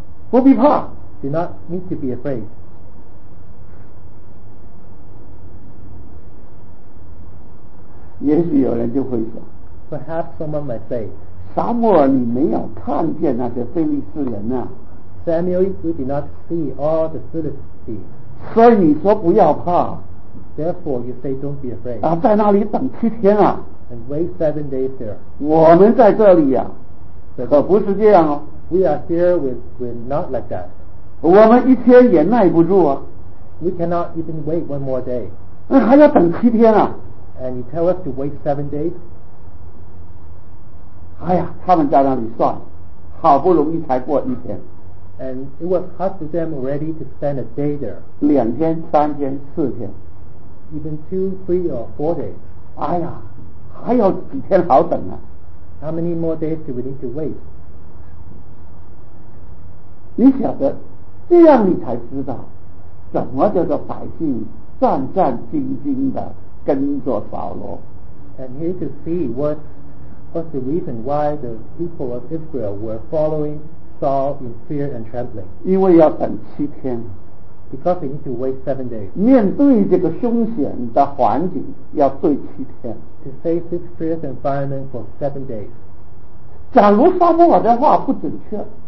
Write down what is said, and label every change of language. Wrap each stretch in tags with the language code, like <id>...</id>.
<zh>不必怕。</zh> <en>Do not need to be afraid.</en> <zh>也许有人就会说。</zh> <en>Perhaps someone might say,</en> <zh>撒母耳，你没有看见那些非利士人啊。</zh> <en>Samuel, you did not see all the Philistines.</en> <zh>所以你说不要怕。</zh> <en>Therefore, you say, don't be afraid.</en> <zh>啊，在那里等七天啊。</zh> <en>And wait 7 days there.</en> <zh>我们在这里啊，可不是这样哦。</zh> <en>We are here with, we're not like that.</en> <zh>我们一天也耐不住啊。</zh> <en>We cannot even wait one more day.</en> <zh>那还要等七天啊。</zh> <en>And you tell us to wait 7 days?</en> <zh>哎呀，他们在那里算，好不容易才过一天。</zh> <en>And it was hard for them already to spend a day there.</en> <zh>两天、三天、四天。</zh> <en>Even 2, 3, or 4 days.</en> <zh>哎呀，还有几天好等啊。</zh> <en>How many more days do we need to wait?</en> <zh>你晓得，这样你才知道，怎么叫做百姓战战兢兢地跟着扫罗。</zh> <en>And here you can see what's the reason why the people of Israel were following Saul in fear and trembling.</en> <zh>因为要等七天。</zh> <en>Because they need to wait 7 days.</en> <zh>面对这个凶险的环境要对七天。</zh> <en>To face this fierce environment for 7 days.</en> <zh>假如撒母耳的话不准确。</zh>